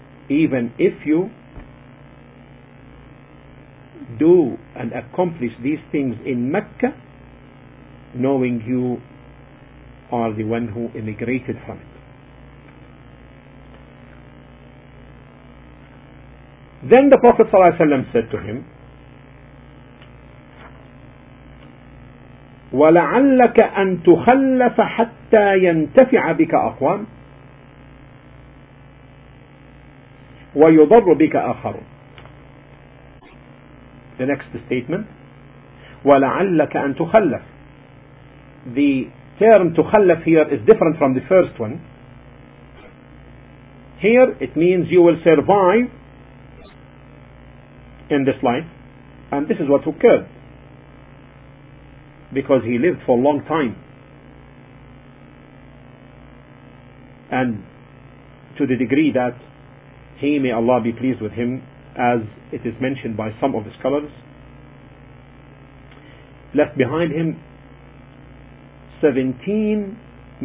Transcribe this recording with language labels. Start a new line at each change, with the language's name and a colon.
English: Even if you do and accomplish these things in Mecca, knowing you are the one who immigrated from it. Then the Prophet ﷺ said to him,
Arabic: وَلَعَلَّكَ أَن تُخَلَّفَ حَتَّى يَنْتَفِعَ بِكَ أَقْوَامٌ وَيُضَرُّ بِكَ آخَرٌ.
English: The next statement,
Arabic: وَلَعَلَّكَ أَن تُخَلَّفْ.
English: The term تُخَلَّف here is different from the first one. Here it means you will survive in this life, and this is what occurred because he lived for a long time, and to the degree that he, may Allah be pleased with him, as it is mentioned by some of the scholars, left behind him 17